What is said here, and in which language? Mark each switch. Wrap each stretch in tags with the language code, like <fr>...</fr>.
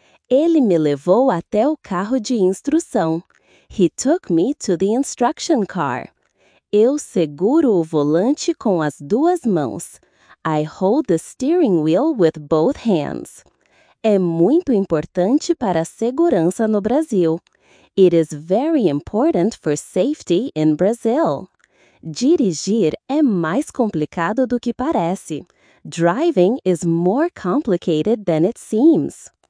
<pt>Ele me levou até o carro de instrução.</pt> <en>He took me to the instruction car.</en> <pt>Eu seguro o volante com as duas mãos.</pt> <en>I hold the steering wheel with both hands.</en> <pt>É muito importante para a segurança no Brasil.</pt> <en>It is very important for safety in Brazil.</en> <pt>Dirigir mais complicado do que parece.</pt> <en>Driving is more complicated than it seems.</en>